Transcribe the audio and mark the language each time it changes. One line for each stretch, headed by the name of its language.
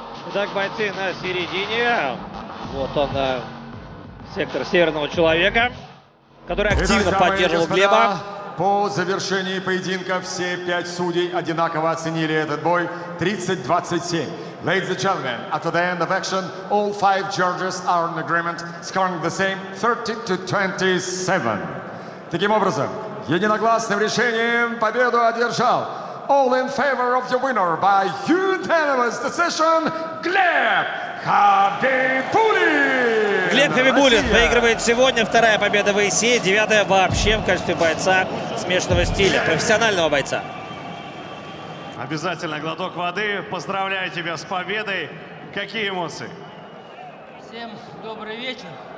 Russian: Итак, бойцы на середине. Вот он, сектор северного человека, который активно поддерживал Глеба. По завершении поединка все пять судей одинаково оценили этот бой. 30-27.
English: Ladies and gentlemen, at the end of action, all five judges are in agreement, scoring the same 30-27.
Russian: Таким образом, единогласным решением победу одержал
English: all in favor of the winner by unanimous decision, Глеб Хабибулин!
Russian: Глеб Хабибулин выигрывает сегодня, вторая победа в ИСЕ, девятая вообще в качестве бойца смешанного стиля, профессионального бойца. Обязательно глоток воды. Поздравляю тебя с победой. Какие эмоции? Всем добрый вечер.